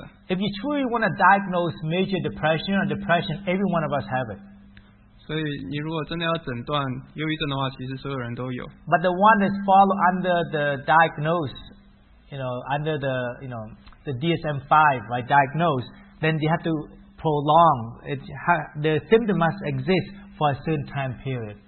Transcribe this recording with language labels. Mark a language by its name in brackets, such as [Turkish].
[English] If you truly want to diagnose major depression or depression, every one of us have it. [Chinese] 所以你如果真的要诊断忧郁症的话，其实所有人都有. [English] But the one that fall under the diagnose, you know, under the, you know, the DSM-5, right, diagnose, then they have to prolong. The symptom must exist for a certain time period.